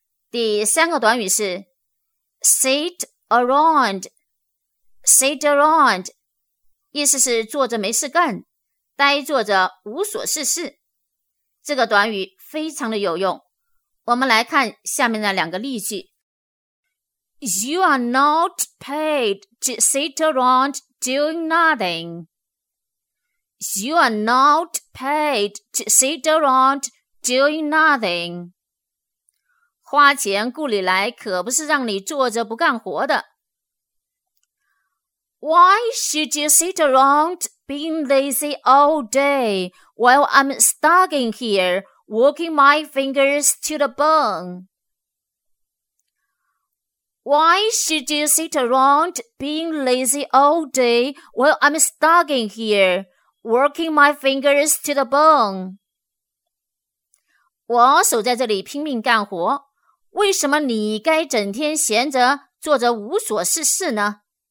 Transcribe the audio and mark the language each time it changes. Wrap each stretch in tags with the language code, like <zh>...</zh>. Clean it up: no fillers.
<zh>第三个短语是 sit around, sit around, 意思是坐着没事干，呆坐着无所事事。这个短语非常的有用。我们来看下面的两个例句。</zh> <en>You are not paid to sit around doing nothing. You are not paid to sit around doing nothing.</en> <zh>花钱雇你来可不是让你坐着不干活的。</zh> <en>Why should you sit around being lazy all day while I'm stuck in here working my fingers to the bone? Why should you sit around being lazy all day while I'm stuck in here working my fingers to the bone?</en> <zh>我守在这里拼命干活，为什么你该整天闲着坐着无所事事呢？</zh>